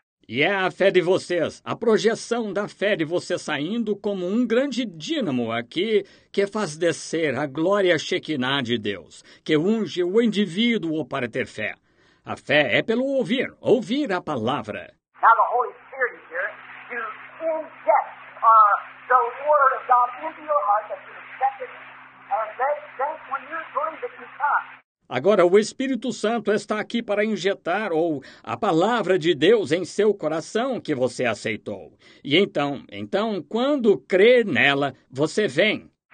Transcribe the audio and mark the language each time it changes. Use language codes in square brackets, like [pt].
[pt] E é a fé de vocês, a projeção da fé de vocês saindo como um grande dínamo aqui que faz descer a glória Shekinah de Deus, que unge o indivíduo para ter fé. A fé é pelo ouvir, ouvir a palavra. [en] Now the Holy Spirit is here to inject the word of God into your heart that you accept it, and then when you believe it, you come. [pt] Agora, o Espírito Santo está aqui para injetar ou a palavra de Deus em seu coração que você aceitou. E então, quando crê nela, você vem.